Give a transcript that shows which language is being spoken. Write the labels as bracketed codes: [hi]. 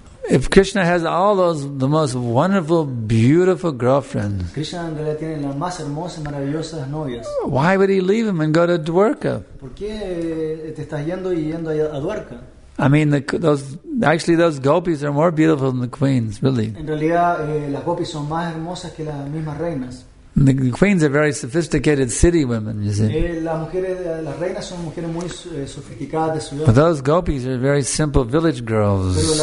[en] If Krishna has all those, the most wonderful, beautiful girlfriends, [es] Krishna en realidad tiene las más hermosas, maravillosas novias, [en] why would he leave them and go to Dwarka? [es] ¿Por qué te estás yendo y yendo a Dwarka? [en] I mean, those gopis are more beautiful than the queens, really. [es] En realidad, las gopis son más hermosas que las mismas reinas. [en] The queens are very sophisticated city women, you see. But those gopis are very simple village girls.